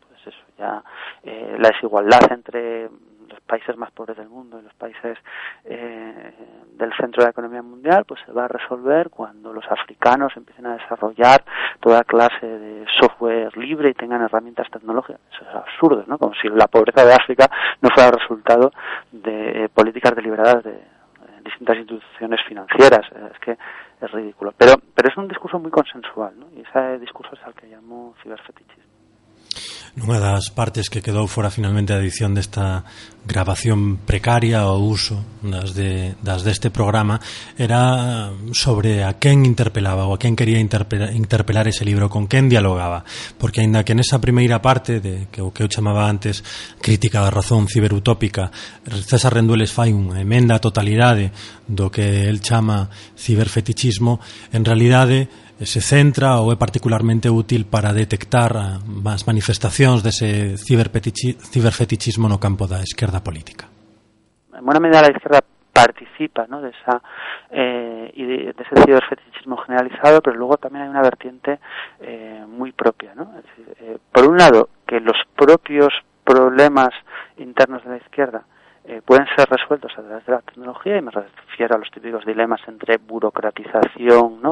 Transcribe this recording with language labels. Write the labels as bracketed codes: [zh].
[es] Eso ya, la desigualdad entre los países más pobres del mundo y los países del centro de la economía mundial pues se va a resolver cuando los africanos empiecen a desarrollar toda clase de software libre y tengan herramientas tecnológicas. Eso es absurdo, ¿no? Como si la pobreza de África no fuera resultado de políticas deliberadas de distintas instituciones financieras. Es que es ridículo. Pero es un discurso muy consensual, ¿no? Y ese discurso es al que llamo ciberfetichismo. [gl] Nunha das partes que quedou fora finalmente a edición desta grabación precaria ou uso das deste programa era sobre a quen interpelaba ou a quen quería interpelar ese libro, con quen dialogaba, porque aínda que nesa primeira parte de que o que eu chamaba antes crítica da razón ciberutópica, César Rendueles fai unha emenda a totalidade do que el chama ciberfetichismo, en realidade se centra ou é particularmente útil para detectar as manifestacións dese ciberfetichismo no campo da esquerda política. [es] En buena medida la izquierda participa, ¿no? de ese ciberfetichismo generalizado, pero luego también hay una vertiente muy propia, ¿no? Es decir, por un lado, que los propios problemas internos de la izquierda pueden ser resueltos a través de la tecnología, y me refiero a los típicos dilemas entre burocratización, ¿no?